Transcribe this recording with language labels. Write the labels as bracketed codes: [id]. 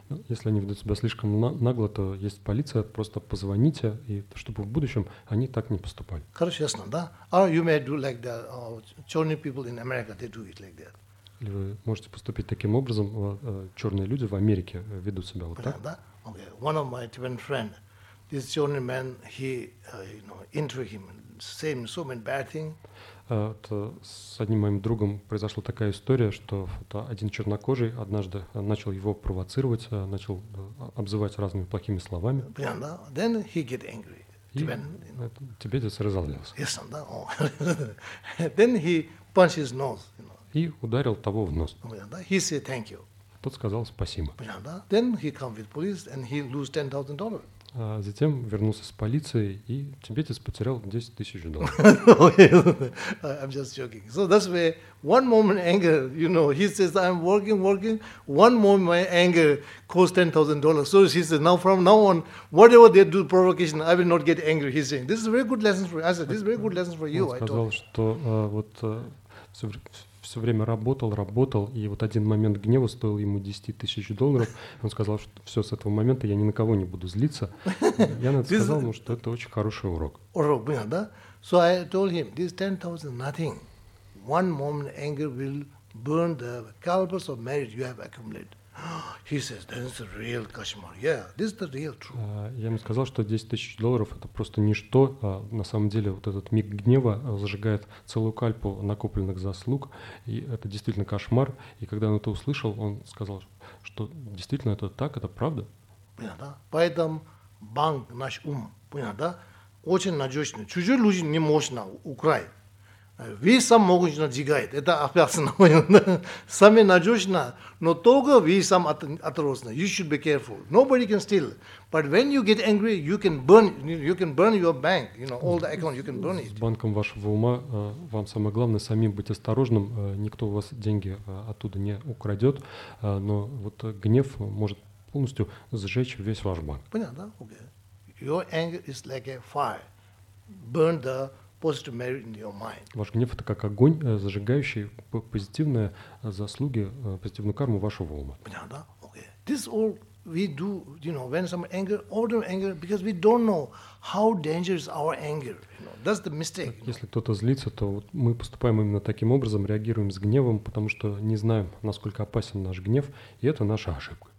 [ru] Если они ведут себя слишком нагло, то есть полиция, просто позвоните, и чтобы в будущем они так не поступали. Хорошо, ясно, да? [en] Or you may do like the Chinese people in America, they do it like that. [ru] Или вы можете поступить таким образом, черные люди в Америке ведут себя вот так. [en] Да? Okay. One of my Tibetan friend, this Chinese man, he interview him, same so many bad thing. [ru] С одним моим другом произошла такая история, что один чернокожий однажды начал его провоцировать, начал обзывать разными плохими словами. Понял, да? [en] Then he get angry. [ru] Тибетец разозлился. [en] Yes, да. Oh. Then he punch his nose. You know. [ru] И ударил того в нос. Понял, да? [en] He said thank you. [ru] Тот сказал спасибо. Понял, да? [en] Then he come with police and he lose $10,000. [ru] Затем вернулся с полицией, и тибетец потерял 10 тысяч долларов. [en] I'm just joking. So that's where one moment anger, you know, he says, I'm working. One moment my anger cost $10,000. So he says, now from now on, whatever they do provocation, I will not get angry. He's saying, this is very good lesson for you. I said, this is very good lesson for you. [ru] Он сказал, что вот все время работал, и вот один момент гнева стоил ему 10 тысяч долларов. Он сказал, что все, с этого момента я ни на кого не буду злиться. Я на это сказал ему, что это очень хороший урок. Урок, понял, да? [en] So I told him, this 10,000 nothing. One moment anger will burn the calipers of merit you have accumulated. He says, that's a real кошмар. Yeah, this is the real truth. [ru] Я ему сказал, что 10 тысяч долларов – это просто ничто. На самом деле, вот этот миг гнева зажигает целую кальпу накопленных заслуг. И это действительно кошмар. И когда он это услышал, он сказал, что действительно это так, это правда. Понятно, да? Поэтому банк, наш ум, понятно, да? Очень надежный. Чужие люди не можно украсть. Вы сам можете надвигать, это опасно. Сами надежно, но только вы сам осторожны. [en] You should be careful. Nobody can steal. But when you get angry, you can burn your bank. You know, all the account, you can burn it. [ru] С банком вашего ума вам самое главное самим быть осторожным. Никто у вас деньги оттуда не украдет. Но вот гнев может полностью сжечь весь ваш банк. Понятно, да? [en] Okay. Your anger is like a fire. Burn the positive merit in your mind. [ru] Ваш гнев – это как огонь, зажигающий позитивные заслуги, позитивную карму вашего ума. Понятно, да? Okay. [en] This all we do, you know, when some anger, ordinary anger, because we don't know how dangerous our anger. You know, that's the mistake. [ru] Если кто-то злится, то вот мы поступаем именно таким образом, реагируем с гневом, потому что не знаем, насколько опасен наш гнев, и это наша ошибка.